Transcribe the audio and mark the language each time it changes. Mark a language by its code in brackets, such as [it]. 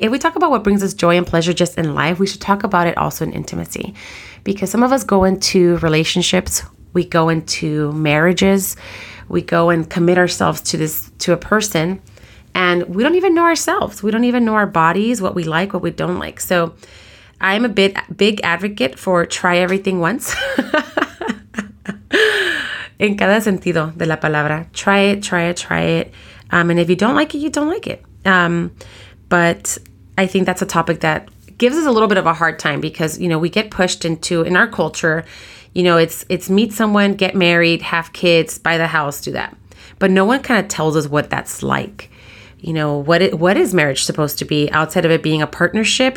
[en] If we talk about what brings us joy and pleasure just in life, we should talk about it also in intimacy because some of us go into relationships, we go into marriages, we go and commit ourselves to this to a person and we don't even know ourselves. We don't even know our bodies, what we like, what we don't like. So I'm a big advocate for try everything once. [es] En cada sentido de la palabra. [en] Try it, try it, try it. And if you don't like it, you don't like it. But I think that's a topic that gives us a little bit of a hard time because, you know, we get pushed into, in our culture, you know, it's meet someone, get married, have kids, buy the house, do that. But no one kind of tells us what that's like. You know, what is marriage supposed to be outside of it being a partnership?